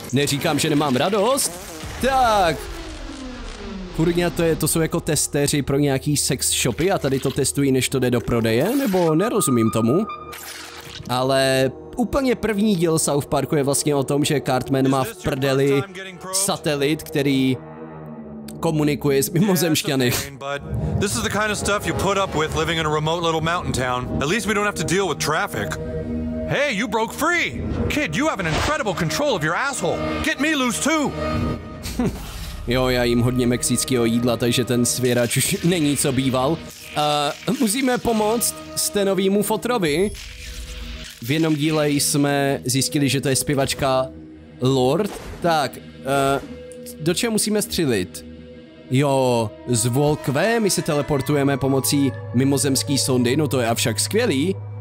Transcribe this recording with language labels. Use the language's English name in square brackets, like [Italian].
[Czech] Neříkám, že nemám radost. Tak. Kurňa, to jsou jako testéři pro nějaký sex shopy a tady to testují, než to jde do prodeje, nebo nerozumím tomu. Ale úplně první díl South Parku je vlastně o tom, že Cartman má v prdeli satelit, který komunikuje s mimozemšťany. [English] This is the kind of stuff you put up with living in a remote little mountain town. At least we don't have to deal with traffic. Hey, you broke free. Kid, you have an incredible control of your asshole. Get me loose too. [Czech] Jo, já jím hodně mexického jídla, takže ten svěrač už není co býval. Musíme pomoct Stanovýmu fotrovi. V jednom díle jsme zjistili, že to je zpěvačka Lord. Tak, do čeho musíme střílit? Jo, z Volkve my se teleportujeme pomocí mimozemské sondy, no to je avšak skvělý.